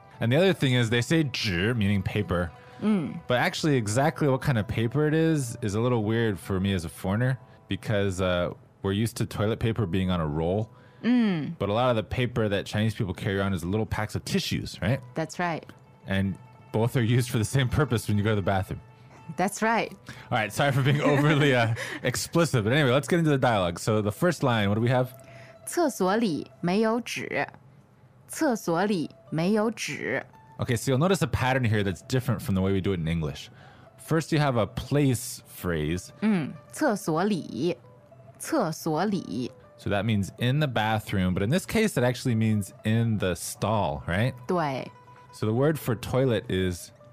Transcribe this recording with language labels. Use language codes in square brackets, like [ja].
[en] And the other thing is they say 纸, meaning paper. But actually exactly what kind of paper it is a little weird for me as a foreigner because we're used to toilet paper being on a roll. But a lot of the paper that Chinese people carry around is little packs of tissues, right? That's right. And both are used for the same purpose when you go to the bathroom. That's right. All right, sorry for being overly explicit. But anyway, let's get into the dialogue. So the first line, what do we have? [zh] 厕所里没有纸。厕所里没有纸。 [en] Okay, so you'll notice a pattern here that's different from the way we do it in English. First, you have a place phrase. [zh] 厕所里。厕所里。 [en] So that means in the bathroom, but in this case, it actually means in the stall, right? [zh] 对。 [en] So the word for toilet is